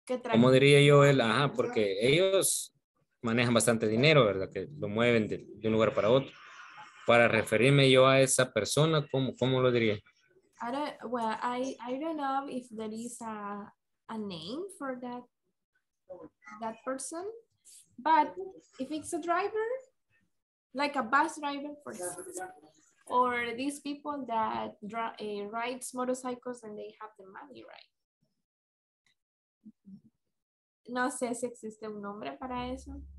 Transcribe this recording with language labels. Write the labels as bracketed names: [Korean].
[Spanish] ¿Cómo diría yo él? Ajá, porque ellos manejan bastante dinero, ¿verdad? Que lo mueven de un lugar para otro. Para referirme yo a esa persona, ¿cómo lo diría? [English] I don't know if there is a name for that person, but if it's a driver, like a bus driver, for example, or these people that rides motorcycles and they have the money, right? [Spanish] No sé si existe un nombre para eso.